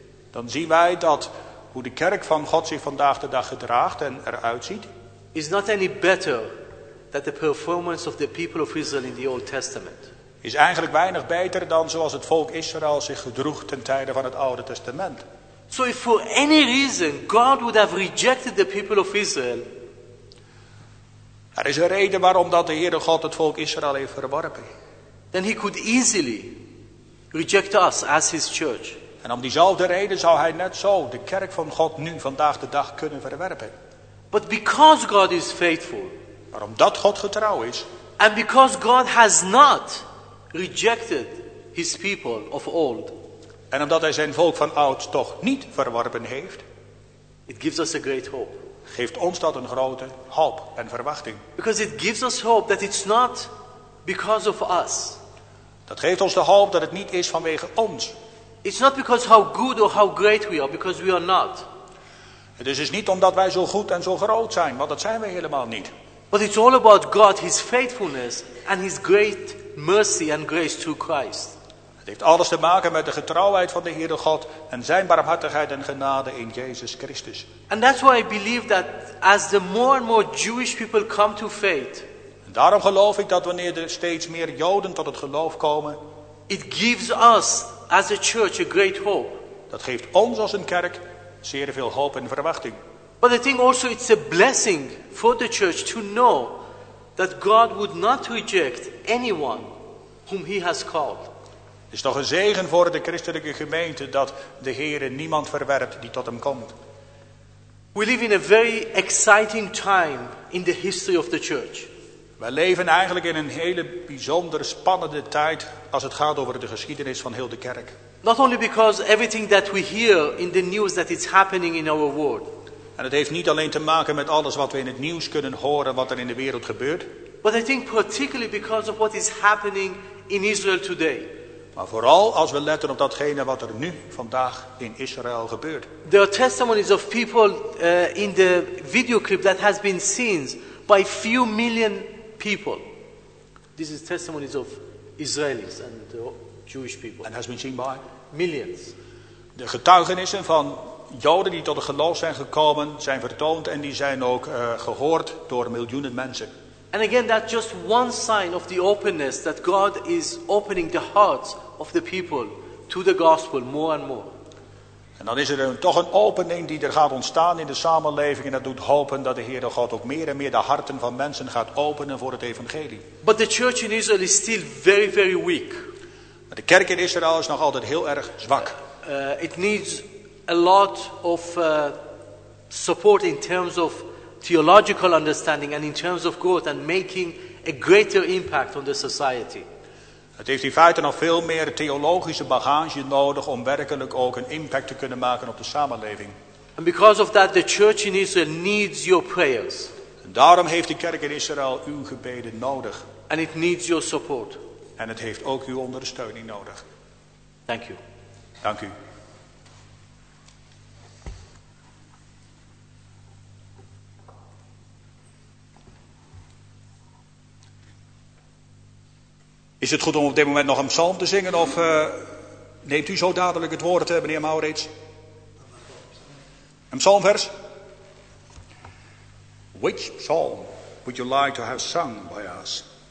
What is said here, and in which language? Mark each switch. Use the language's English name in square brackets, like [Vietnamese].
[Dutch] Dan zien wij dat hoe de kerk van God zich vandaag de dag gedraagt en eruit ziet. [English] Is not any better than the performance of the people of Israel in the Old Testament. [Dutch] Is eigenlijk weinig beter dan zoals het volk Israël zich gedroeg ten tijde van het Oude Testament. [English] So if for any reason God would have rejected the people of Israel. [Dutch] Er is een reden waarom dat de Heere God het volk Israël heeft verworpen. [English] Then he could easily reject us as his church. [Dutch] En om diezelfde reden zou hij net zo de kerk van God nu vandaag de dag kunnen verwerpen. [English] But because God is faithful. [Dutch] Maar omdat God getrouw is. [English] And because God has not rejected his people of old. [Dutch] En omdat hij zijn volk van oud toch niet verworpen heeft. [English] It gives us a great hope. [Dutch] Geeft ons dat een grote hoop en verwachting. [English] Because it gives us hope that it's not because of us. [Dutch] Dat geeft ons de hoop dat het niet is vanwege ons. [English] It's not because how good or how great we are, because we are not. [Dutch] Het is dus niet omdat wij zo goed en zo groot zijn, want dat zijn we helemaal niet. [English] But it's all about God, his faithfulness and his great mercy and grace through Christ. [Dutch] Het heeft alles te maken met de getrouwheid van de Heere God en zijn barmhartigheid en genade in Jezus Christus. [English] And that's why I believe that as the more and more Jewish people come to faith. [Dutch] En daarom geloof ik dat wanneer er steeds meer Joden tot het geloof komen, [English] it gives us as a church a great hope. [Dutch] Dat geeft ons als een kerk zeer veel hoop en verwachting. [English] But I think also it's a blessing for the church to know that God would not reject anyone whom he has called. [Dutch] Het is toch een zegen voor de christelijke gemeente dat de Heere niemand verwerpt die tot hem komt. [English] We live in a very exciting time in the history of the church. [Dutch] Wij leven eigenlijk in een hele bijzonder spannende tijd als het gaat over de geschiedenis van heel de kerk. [English] Not only because everything that we hear in the news that is happening in our world. [Dutch] En het heeft niet alleen te maken met alles wat we in het nieuws kunnen horen wat er in de wereld gebeurt. [English] But I think particularly because of what is happening in Israel today. [Dutch] Maar vooral als we letten op datgene wat er nu vandaag in Israël gebeurt. [English] There are testimonies of people in the video clip that has been seen by few million people. This is testimonies of Israelis and Jewish people. And has been seen by millions. [Dutch] De getuigenissen van Joden die tot het geloof zijn gekomen zijn vertoond en die zijn ook gehoord door miljoenen mensen. [English] And again, that's just one sign of the openness that God is opening the hearts of the people to the gospel more and more. [Dutch] En dan is er toch een opening die er gaat ontstaan in de samenleving en dat doet hopen dat de Heere God ook meer en meer de harten van mensen gaat openen voor het evangelie. [English] But the church in Israel is still very, very weak. [Dutch] Maar de kerk in Israël is nog altijd heel erg zwak. [English] It needs a lot of support in terms of theological understanding and in terms of growth and making a greater impact on the society. [Dutch] Het heeft in feite nog veel meer theologische bagage nodig om werkelijk ook een impact te kunnen maken op de samenleving. [English] And because of that, the church in Israel needs your prayers. [Dutch] En daarom heeft de kerk in Israël uw gebeden nodig. [English] And it needs your support. [Dutch] En het heeft ook uw ondersteuning nodig. [English] Thank you. [Dutch] Dank u. Is het goed om op dit moment nog een psalm te zingen of neemt u zo dadelijk het woord, meneer Maurits? Een psalmvers? [English] Which psalm would you like to have sung by us?